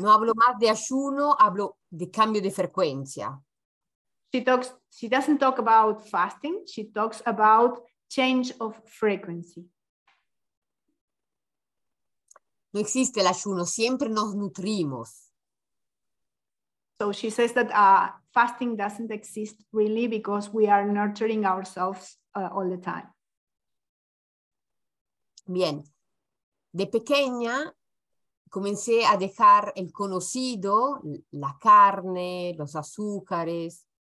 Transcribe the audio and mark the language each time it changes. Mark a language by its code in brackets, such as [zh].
[es] No hablo más de ayuno, hablo de cambio de frecuencia. [en] She doesn't talk about fasting, she talks about change of frequency. [es] No existe el ayuno, siempre nos nutrimos. [en] So she says that fasting doesn't exist really because we are nurturing ourselves all the time. [es] Bien. De pequeña, comencé a dejar el conocido, la carne, los azúcares.